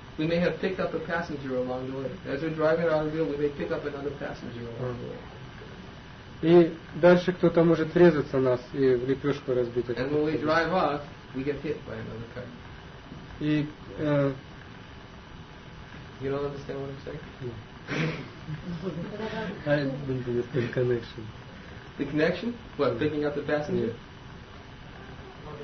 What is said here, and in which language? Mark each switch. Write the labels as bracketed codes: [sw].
[en] We may have picked up a passenger along the way. As we're driving the automobile, we may pick up another passenger along the way. [ru] И дальше кто-то может врезаться в нас и в лепешку разбить. [en] And when we drive off, we get hit by another car. [ru] И, [en] you don't understand what I'm saying? No. I don't understand the connection. The connection? What, picking up the passenger? Yeah.